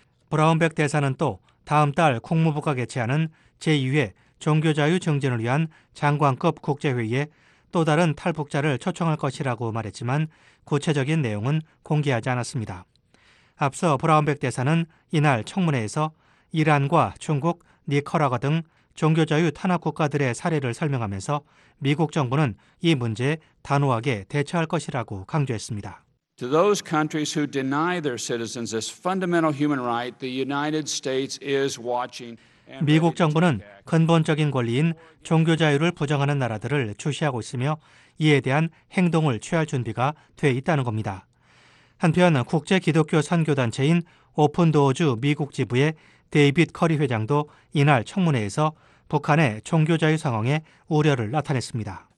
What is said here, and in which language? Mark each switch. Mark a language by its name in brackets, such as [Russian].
[Korean] 브라운백 대사는 또 다음 달 국무부가 개최하는 제2회 종교자유 증진을 위한 장관급 국제회의에 또 다른 탈북자를 초청할 것이라고 말했지만 구체적인 내용은 공개하지 않았습니다. 앞서 브라운백 대사는 이날 청문회에서 이란과 중국, 니카라과 등 종교자유 탄압 국가들의 사례를 설명하면서 미국 정부는 이 문제에 단호하게 대처할 것이라고 강조했습니다. [English] To those countries who deny their citizens this fundamental human right, the United States is watching. [Korean] 미국 정부는 근본적인 권리인 종교 자유를 부정하는 나라들을 주시하고 있으며 이에 대한 행동을 취할 준비가 돼 있다는 겁니다. 한편 국제 기독교 선교단체인 오픈도어즈 미국 지부의 데이빗 커리 회장도 이날 청문회에서 북한의 종교 자유 상황에 우려를 나타냈습니다.